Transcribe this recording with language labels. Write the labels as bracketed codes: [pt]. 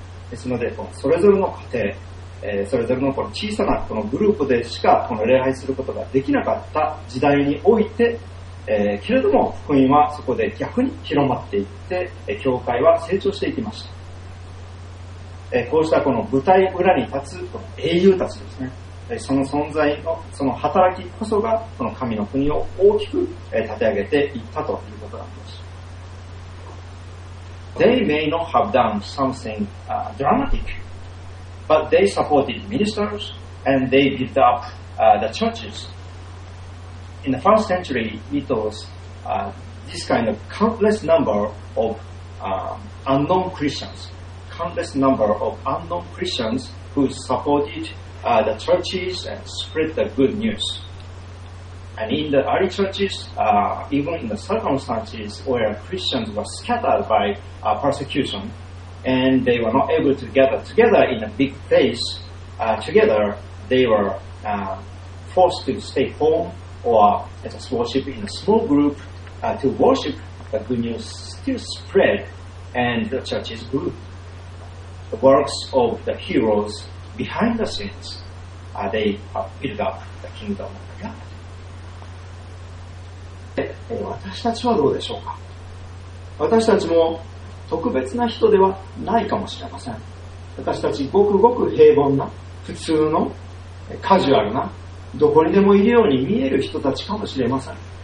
[ja] ですので、このそれぞれの家庭、それぞれ この小さなこのグループでしかこの礼拝することができなかった時代において、けれども福音はそこで逆に広まっていって、教会は成長していきました。こうしたこの舞台裏に立つこの英雄たちですね、その存在のその働きこそがこの神の国を大きく立て上げていったということなんです。 [en] They may not have done something dramatic, but they supported ministers and they built up the churches. In the first century, it was this kind of countless number of unknown Christians. Countless number of unknown Christians who supported the churches and spread the good news. And in the early churches, even in the circumstances where Christians were scattered by persecution and they were not able to gather together in a big place, together they were forced to stay home or just worship in a small group to worship. The good news still spread and the churches grew. The works of the heroes behind the scenes, they have built up the kingdom of God. [ja] 私たちはどうでしょうか。私たちも特別な人ではないかもしれません。私たちごくごく平凡な、普通の、カジュアルな、どこにでもいるように見える人たちかもしれません。